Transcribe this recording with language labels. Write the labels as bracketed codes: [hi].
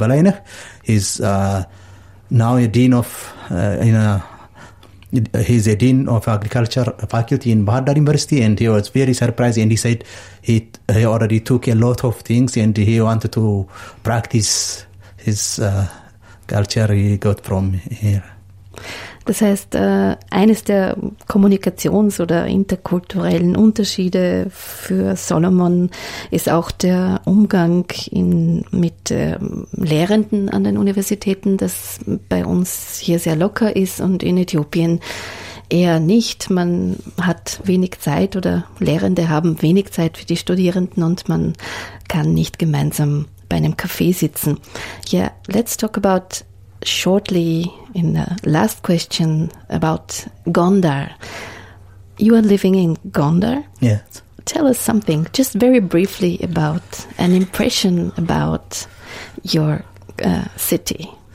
[en] Balainer, he's now a dean of he's a dean of agriculture faculty in Bahar Dar University, and he was very surprised, and he said he already took a lot of things and he wanted to practice his culture he got from here. [de] Das heißt, eines der Kommunikations- oder interkulturellen Unterschiede für Solomon ist auch der Umgang mit Lehrenden an den Universitäten, das bei uns hier sehr locker ist und in Äthiopien eher nicht. Man hat wenig Zeit oder Lehrende haben wenig Zeit für die Studierenden und man kann nicht gemeinsam bei einem Kaffee sitzen. [en] Yeah, let's talk about shortly in the last question about Gondar. You are living in Gondar? Yes. Tell us something, just very briefly, about an impression about your city.